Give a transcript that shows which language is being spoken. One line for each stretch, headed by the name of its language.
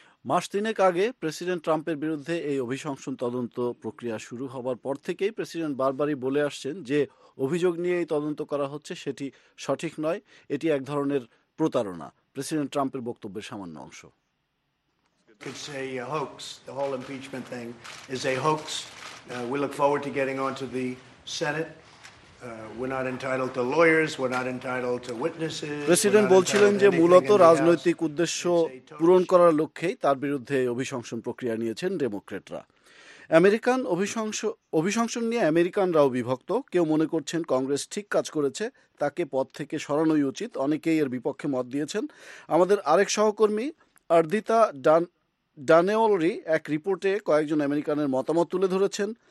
Bangla: মাস তিনেক আগে প্রেসিডেন্ট ট্রাম্পের বিরুদ্ধে এই অভিশংসন তদন্ত প্রক্রিয়া শুরু হওয়ার পর থেকেই প্রেসিডেন্ট বারবারই বলে আসছেন যে অভিযোগ নিয়ে এই তদন্ত করা হচ্ছে সেটি সঠিক নয়, এটি এক ধরনের প্রতারণা। প্রেসিডেন্ট ট্রাম্পের বক্তব্যের সামান্য অংশ।
English: It's a hoax. The whole impeachment thing is a hoax. We look forward to getting on to the Senate. We're not entitled to lawyers. We're not entitled to witnesses.
Bangla: President বলছিলেন যে মূলত রাজনৈতিক উদ্দেশ্য পূরণ করার লক্ষ্যেই তার বিরুদ্ধে অভিশংসন প্রক্রিয়া নিয়েছেন ডেমোক্রেটরা। আমেরিকান অভিশংসন নিয়ে আমেরিকানরাও বিভক্ত। কেউ মনে করছেন কংগ্রেস ঠিক কাজ করেছে, তাকে পদ থেকে সরানোই উচিত। অনেকেই এর বিপক্ষে মত দিয়েছেন। আমাদের আরেক সহকর্মী অর্দিতা ডানেওলরি এক রিপোর্টে কয়েকজন আমেরিকানের মতামত তুলে ধরেছেন।